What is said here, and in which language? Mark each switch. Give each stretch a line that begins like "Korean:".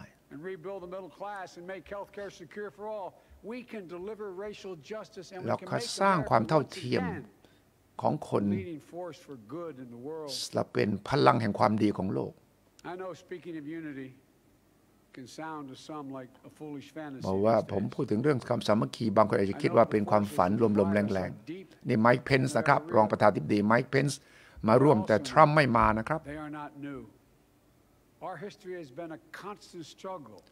English: And rebuild the middle class and make healthcare secure for all. We can deliver racial justice and we can make
Thai: สร้างความเท่าเทียมของคน
English: Leading force for good in the world.
Thai: เราเป็นพลังแห่งความดีของโลก
English: I know speaking of unity. Can sound to some like a foolish fantasy.
Thai: บอกว่าผมพูดถึงเรื่องความสามัคคีบางคนอาจจะคิดว่าเป็นความฝันลมๆแรงๆนี่ไมค์เพนส์นะครับรองประธานาธิบดีไมค์เพนส์มาร่วมแต่ทรัมป์ไม่มานะครับ
English: They are not new. Our history has been a constant struggle.